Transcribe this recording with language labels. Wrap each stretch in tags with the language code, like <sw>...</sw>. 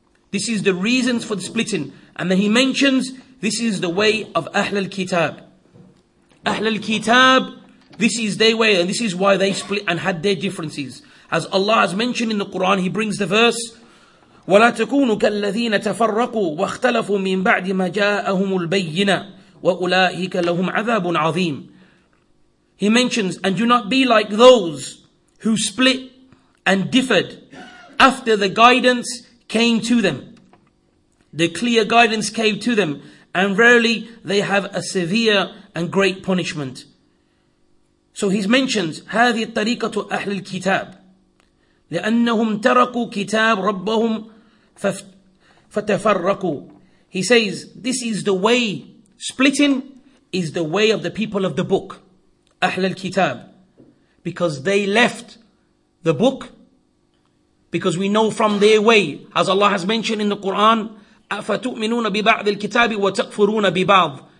<en>This is the reasons for the splitting. And then he mentions, this is the way of Ahl al-Kitab. Ahl al-Kitab, this is their way, and this is why they split and had their differences. As Allah has mentioned in the Quran, he brings the verse,</en> <ar>وَلَا تَكُونُ كَالَّذِينَ تَفَرَّقُوا وَاخْتَلَفُوا مِنْ بَعْدِ مَا جَاءَهُمُ الْبَيِّنَةِ وَأُولَٰئِكَ لَهُمْ عَذَابٌ عَظِيمٌ.</ar> <en>He mentions, and do not be like those who split and differed after the guidance came to them. The clear guidance came to them. And verily they have a severe and great punishment. So he mentions,</en> <ar>هذه الطريقة أهل الكتاب لأنهم تركوا كتاب ربهم فتفرقوا.</ar> <en>He says, this is the way, splitting is the way of the people of the book, أهل الكتاب. Because they left the book. Because we know from their way, as Allah has mentioned in the Quran,</en> <ar>أَفَتُؤْمِنُونَ بِبَعْضِ الْكِتَابِ وَتَكْفُرُونَ بِبَعْضِ.</ar>